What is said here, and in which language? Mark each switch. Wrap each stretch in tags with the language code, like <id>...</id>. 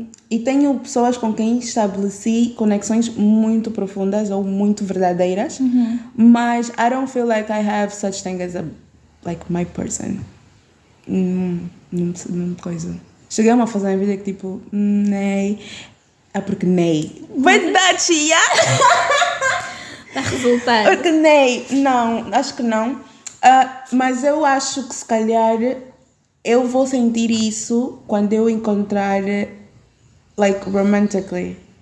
<pt>E tenho pessoas com quem estabeleci conexões muito profundas ou muito verdadeiras. Mas</pt> <en>I don't feel like I have such thing as a... Like my person.</en> <pt>Não coisa. Cheguei a uma fase na vida que tipo... Nem... É porque nem...</pt> <en>But that's yeah.</en> <pt>A resultar. Porque nem, não, acho que não. Mas eu acho que se calhar eu vou sentir isso quando eu encontrar,</pt> <en>like, romantically.</en>